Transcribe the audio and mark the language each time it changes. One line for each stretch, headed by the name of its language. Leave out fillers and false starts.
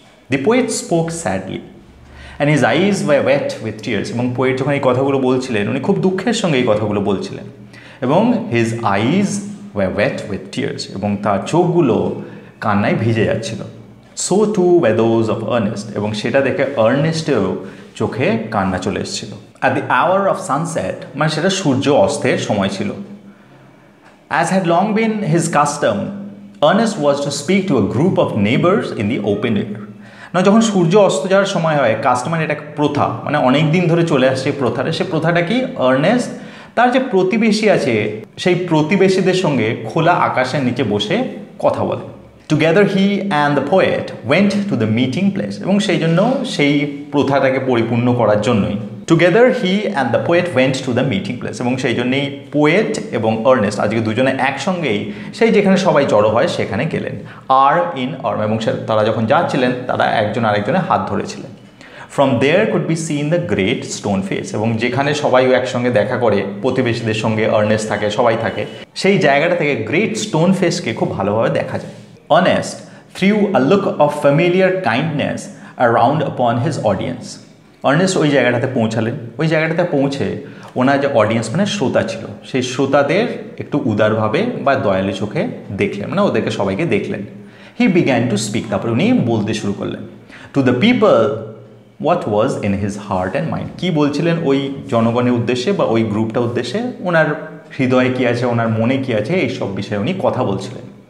English: the poet spoke sadly and his eyes were wet with tears,
Bangla: এবং poet যখন এই কথাগুলো বলছিলেন উনি খুব দুঃখের সঙ্গে এই কথাগুলো বলছিলেন, এবং
English: his eyes were wet with tears,
Bangla: এবং তার চোখগুলো কান্নায় ভিজে যাচ্ছিল।
English: So too were those of Ernest,
Bangla: এবং সেটা দেখে আর্নেস্টেরও চোখে কান্না চলে এসেছিল।
English: At the hour of sunset,
Bangla: মানে সেটা সূর্য অস্তের সময় ছিল।
English: As had long been his custom, Ernest was to speak to a group of neighbors in the open air.
Bangla: না যখন সূর্য অস্ত যাওয়ার সময় হয় কাস্টমার, এটা প্রথা মানে অনেক দিন ধরে চলে আসছে প্রথাটা, সেই প্রথাটা কি আর্নেস্ট তার যে প্রতিবেশী আছে সেই প্রতিবেশীদের সঙ্গে খোলা আকাশের নিচে বসে কথা বলে।
English: together he and the poet went to the meeting place,
Bangla: এবং সেই জন্য সেই প্রথাটাকে পরিপূর্ণ করার জন্যই, together he and the poet went to the meeting place, এবং সেই জন্যই পোয়েট এবং আর্নেস্ট আজকে দুজনে একসঙ্গেই সেই যেখানে সবাই জড়ো হয় সেখানে গেলেন।
English: arm in arm,
Bangla: এবং তারা যখন যাচ্ছিলেন তারা একজন আরেকজনের হাত ধরেছিলেন।
English: from there could be seen the great stone face,
Bangla: এবং যেখানে সবাই একসঙ্গে দেখা করে প্রতিবেশীদের সঙ্গে আর্নেস্ট থাকে সবাই থাকে, সেই জায়গাটা থেকে গ্রেট স্টোন ফেসকে খুব ভালোভাবে দেখা যায়।
English: Honest threw a look of familiar kindness around upon his audience.
Bangla: Ernest ওই জায়গাটাতে পৌঁছালেন, ওই জায়গাটাতে পৌঁছে ওনার যে অডিয়েন্স মানে শ্রোতা ছিল সেই শ্রোতাদের একটু উদারভাবে বা দয়ালু চোখে দেখলেন, মানে ওদেরকে সবাইকে দেখলেন।
English: he began to speak,
Bangla: তারপরে উনি বলতে শুরু করলেন,
English: to the people what was in his heart and mind,
Bangla: কী বলছিলেন ওই জনগণের উদ্দেশ্যে বা ওই গ্রুপটা উদ্দেশ্যে, ওনার হৃদয়ে কী আছে, ওনার মনে কী আছে, এইসব বিষয়ে উনি কথা বলছিলেন।